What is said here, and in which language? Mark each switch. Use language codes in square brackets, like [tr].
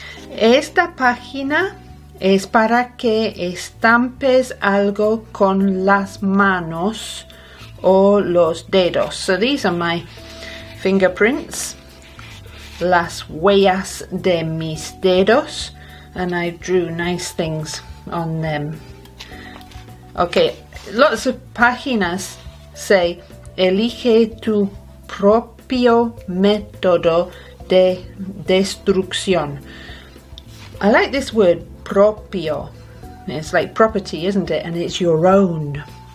[es] Esta página es para que estampes algo con las manos o los dedos. [en] So these are my fingerprints, [es] las huellas de mis dedos, [en] and I drew nice things on them. Okay, lots of páginas say, [es] elige tu propio método de destrucción. [en] I like this word, propio. It's like property, isn't it? And it's your own.